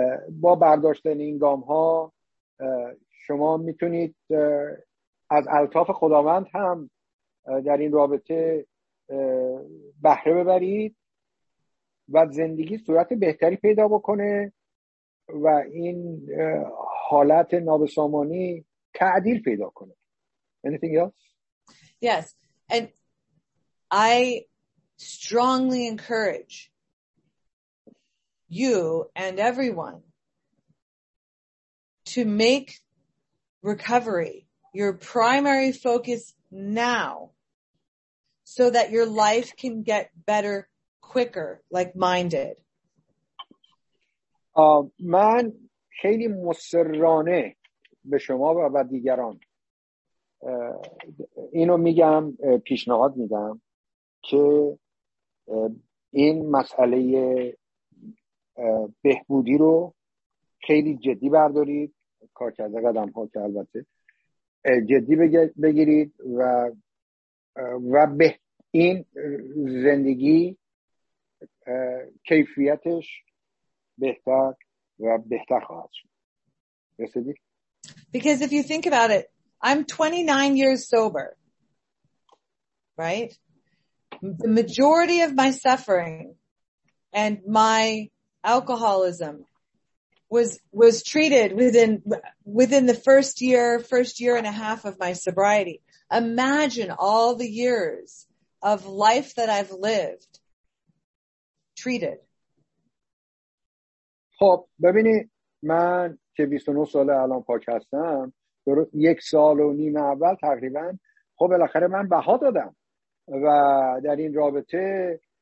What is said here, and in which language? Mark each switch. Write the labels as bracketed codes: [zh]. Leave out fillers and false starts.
[fa] با برداشتن این گام‌ها شما میتونید از الطاف خداوند هم در این رابطه بهره ببرید و زندگی صورت بهتری پیدا بکنه و این حالت نابسامانی تعدیل پیدا کنه. [en] Anything else? Yes. And I strongly encourage you and everyone to make recovery your primary focus now so that your life can get better quicker like mine did. [fa] من خیلی مصرانه به شما و به دیگران اینو میگم، پیشنهاد میدم که این مسئله بهبودی رو خیلی جدی بردارید، کار کرده قدم ها که البته جدی بگیرید و به این زندگی کیفیتش بهتر و بهتر خواهد شد. رسیدی؟ [en] Because if you think about it, I'm 29 years sober, right? The majority of my suffering and my alcoholism was treated within the first year and a half of my sobriety. Imagine all the years of life that I've lived treated. [fa] خب ببینید من که 29 ساله الان پاک هستم یک سال و نیم اول تقریبا خب بالاخره من بها دادم و در این رابطه